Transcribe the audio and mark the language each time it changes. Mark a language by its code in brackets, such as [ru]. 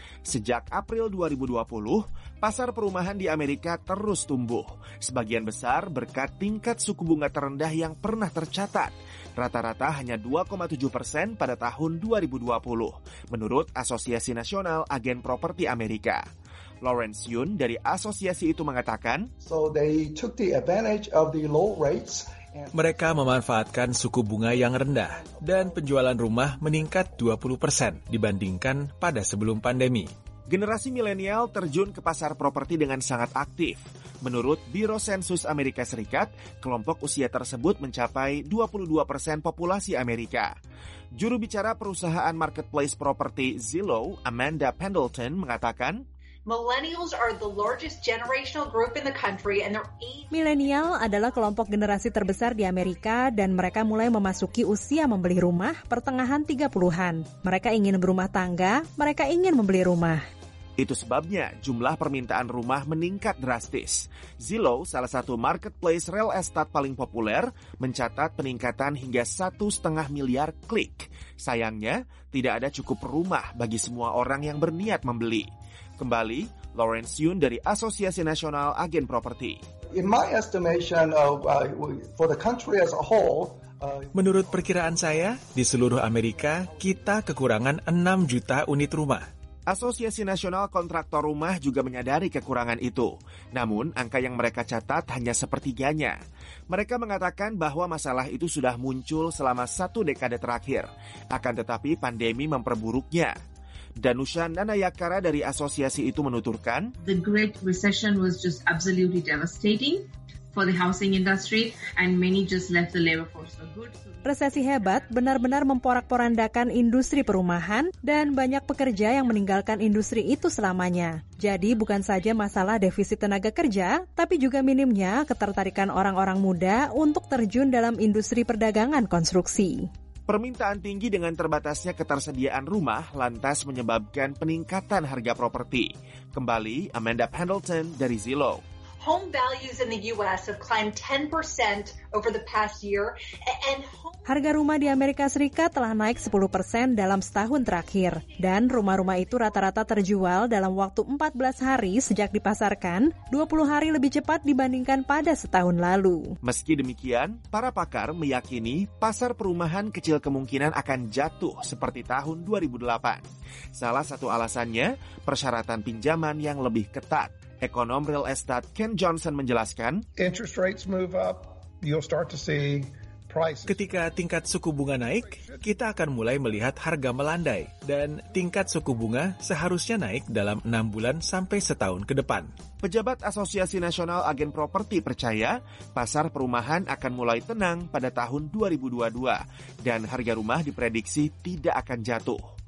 [id] Sejak April 2020, pasar perumahan di Amerika terus tumbuh. Sebagian besar berkat tingkat suku bunga terendah yang pernah tercatat. Rata-rata hanya 2,7% pada tahun 2020, menurut Asosiasi Nasional Agen Properti Amerika. Lawrence Yun dari asosiasi itu mengatakan, [en] so they took the advantage of the low rates. [id] Mereka memanfaatkan suku bunga yang rendah dan penjualan rumah meningkat 20% dibandingkan pada sebelum pandemi. Generasi milenial terjun ke pasar properti dengan sangat aktif. Menurut Biro Sensus Amerika Serikat, kelompok usia tersebut mencapai 22% populasi Amerika. Juru bicara perusahaan marketplace properti Zillow, Amanda Pendleton, mengatakan, [en] Millennials are the largest generational group in the country and [id] Millennial adalah kelompok generasi terbesar di Amerika dan mereka mulai memasuki usia membeli rumah pertengahan 30-an. Mereka ingin berumah tangga, mereka ingin membeli rumah. Itu sebabnya jumlah permintaan rumah meningkat drastis. Zillow, salah satu marketplace real estate paling populer, mencatat peningkatan hingga 1,5 miliar klik. Sayangnya, tidak ada cukup rumah bagi semua orang yang berniat membeli. Kembali, Lawrence Yun dari Asosiasi Nasional Agen Properti. [en] In my estimation of for the country as a whole, [id] menurut perkiraan saya, di seluruh Amerika kita kekurangan 6 juta unit rumah. Asosiasi Nasional Kontraktor Rumah juga menyadari kekurangan itu. Namun, angka yang mereka catat hanya sepertiganya. Mereka mengatakan bahwa masalah itu sudah muncul selama 1 dekade terakhir. Akan tetapi, pandemi memperburuknya. Danusha Nanayakara dari asosiasi itu menuturkan, [en] the Great Recession was just absolutely devastating for the housing industry and many just left the labor force for good. [id] Resesi hebat benar-benar memporak-porandakan industri perumahan dan banyak pekerja yang meninggalkan industri itu selamanya. Jadi bukan saja masalah defisit tenaga kerja, tapi juga minimnya ketertarikan orang-orang muda untuk terjun dalam industri perdagangan konstruksi. Permintaan tinggi dengan terbatasnya ketersediaan rumah lantas menyebabkan peningkatan harga properti. Kembali, Amanda Pendleton dari Zillow. [en] Home values in the US have climbed 10% over the past year and [id] harga rumah di Amerika Serikat telah naik 10% dalam setahun terakhir dan rumah-rumah itu rata-rata terjual dalam waktu 14 hari sejak dipasarkan, 20 hari lebih cepat dibandingkan pada setahun lalu. Meski demikian, para pakar meyakini pasar perumahan kecil kemungkinan akan jatuh seperti tahun 2008. Salah satu alasannya, persyaratan pinjaman yang lebih ketat. Ekonom real estate Ken Johnson menjelaskan, [en] interest rates move up, you'll start to see prices. [id] Ketika tingkat suku bunga naik, kita akan mulai melihat harga melandai, dan tingkat suku bunga seharusnya naik dalam 6 bulan sampai setahun ke depan. Pejabat Asosiasi Nasional Agen Properti percaya pasar perumahan akan mulai tenang pada tahun 2022 dan harga rumah diprediksi tidak akan jatuh.